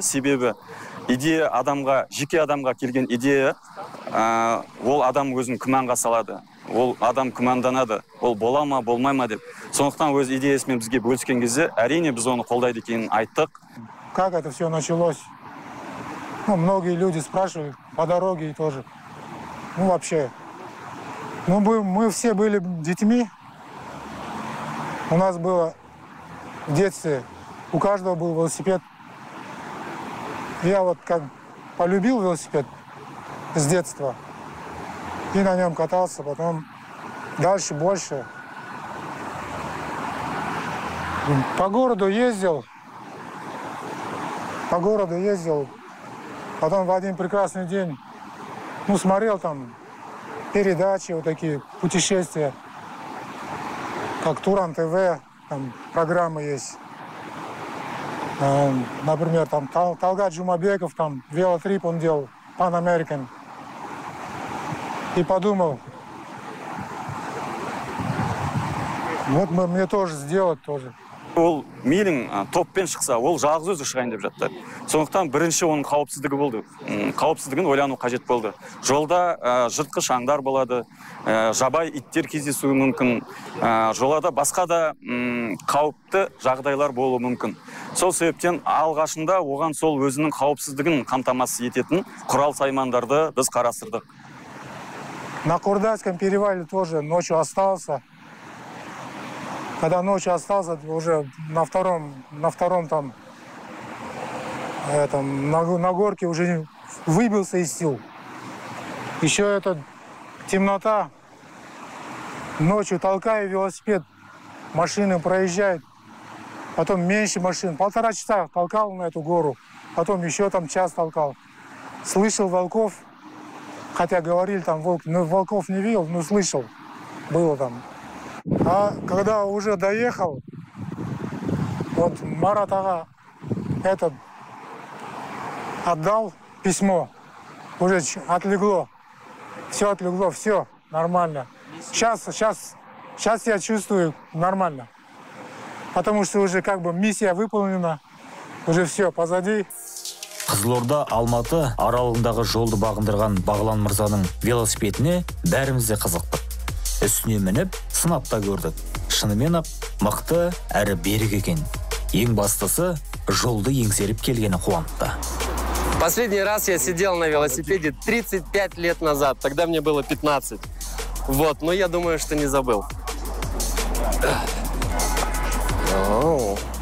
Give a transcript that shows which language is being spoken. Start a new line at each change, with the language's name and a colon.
Kazakh: Себебі идея адамға, жеке адамға келген идея, ол адам өзін күмәнға салады. Ол адам күмәнданады, ол бола ма, болмай ма деп. Сондықтан өз идеясымен бізге бөліскен кезде, әрине біз оны қолдайды екенін айттық.
Russian: Как это все началось? Ну, многие люди спрашивают, по дороге тоже. Ну, вообще. Ну, мы все были детьми. У нас было в детстве, у каждого был велосипед. Я вот как полюбил велосипед с детства. И на нем катался, потом дальше больше. По городу ездил, потом в один прекрасный день, ну, смотрел там передачи, вот такие путешествия, как Туран ТВ, там программы есть. Например, там Талгат Жумабеков, там велотрип он делал, Pan American. И подумал, Вот мне тоже сделать тоже.
Kazakh: Ол менің топпен шықса, ол жағыз өзі шығайын деп жатты. Сондықтан бірінші оның қауіпсіздігі болды. Қауіпсіздігін ойлану қажет болды. Жолда жыртқы шаңдар болады, жабай иттер кездесуі мүмкін. Жолада басқа да қауіпті жағдайлар болу мүмкін. Сол себептен алғашында оған сол өзінің қауіпсіздігін қамтамасыз ететін құрал саймандарды біз қарастырдық.
Russian: На Курдайском перевале тоже ночью остался. Когда ночью остался, уже на втором там, этом, на горке уже выбился из сил. Еще это темнота, ночью толкаю велосипед, машины проезжают, потом меньше машин. Полтора часа толкал на эту гору, потом еще там час толкал. Слышал волков, хотя говорили там волки, но волков не видел, но слышал, было там. А когда уже доехал, вот Марат ага этот отдал письмо, уже отлегло, все нормально. Сейчас я чувствую нормально, потому что уже как бы миссия выполнена, уже все позади.
Kazakh: Қызылорда Алматы аралығындағы жолды бағындырған Бағлан Мырзаның велосипедіне бәріміз де қызықтық. Үстіне мініп, сынапта көрдік. Шынымен ап, мықты әрі берік екен. Ең бастысы, жолды еңсеріп келгені қуантты.
Russian: Последний раз я сидел на велосипеде 35 лет назад. Тогда мне было 15. Вот, но я думаю, что не забыл. Вау.